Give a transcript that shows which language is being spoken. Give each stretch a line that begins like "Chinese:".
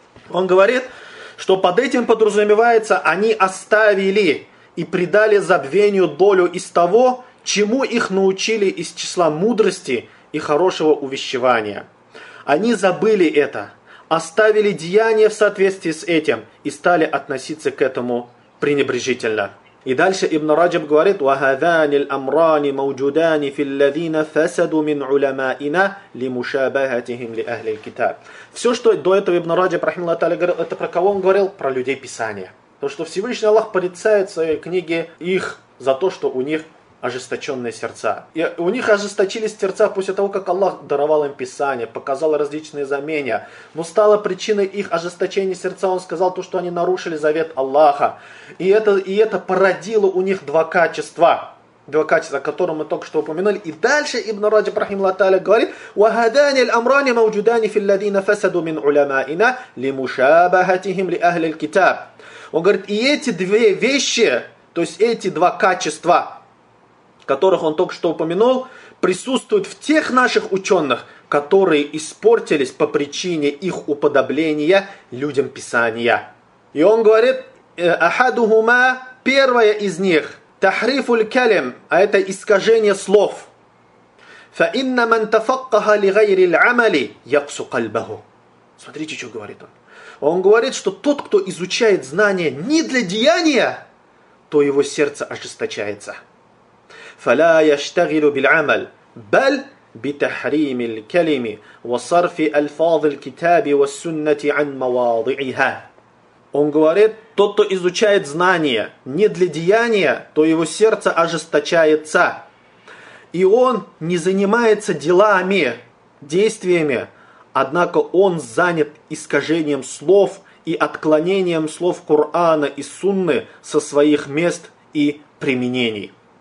Russian: Он говорит, что под этим подразумевается, они оставили и предали забвению долю из того, чему их научили из числа мудрости и хорошего увещевания. Они забыли это, оставили деяния в соответствии с этим и стали относиться к этому пренебрежительно. И дальше Ибн Раджаб говорит:
Arabic: وهذان الأمران موجودان في الذين فسدوا من علمائنا لمشابهتهم لأهل الكتاب.
Russian: Все, что до этого Ибн Раджаб, рахималлаху тааля, говорил, это про кого он говорил? Про людей Писания. То, что Всевышний Аллах порицает в своей книге их за то, что у них ожесточенные сердца. И у них ожесточились сердца после того, как Аллах даровал им Писание, показал различные знамения. Но стало причиной их ожесточения сердца, он сказал то, что они нарушили завет Аллаха. И это породило у них два качества. Два качества, о которых мы только что упомянули. И дальше Ибн Раджаб, рахимаху тааля, говорит:
Arabic: وَهَدَانِ الْأَمْرَانِ مَوْجُدَانِ فِي الَّذِينَ فَسَدُوا مِنْ عُلَمَائِنَا لِمُشَابَهَتِهِمْ لِأَهْلِ الْكِتَابِ.
Russian: Он говорит, и эти две вещи, то есть эти два качества, которых он только что упомянул, присутствуют в тех наших ученых, которые испортились по причине их уподобления людям Писания. И он говорит, ахадухума, первое из них, тахрифуль калим, а это искажение слов.
Arabic: Фа инна ман тафаккаха лигайри л'амали, яксу кальбаху.
Russian: Смотрите, что говорит он. Он говорит, что тот, кто изучает знания не для деяния, то его сердце ожесточается.
Arabic: فلا يشتغل بالعمل بل بتحريم الكلم وصرف الفاظ الكتاب والسنة عن مواضعها.
Russian: Он говорит, тот, кто изучает знания не для деяния, то его сердце ожесточается, и он не занимается делами, действиями, однако он занят искажением слов и отклонением слов Корана и Сунны со своих мест и применений.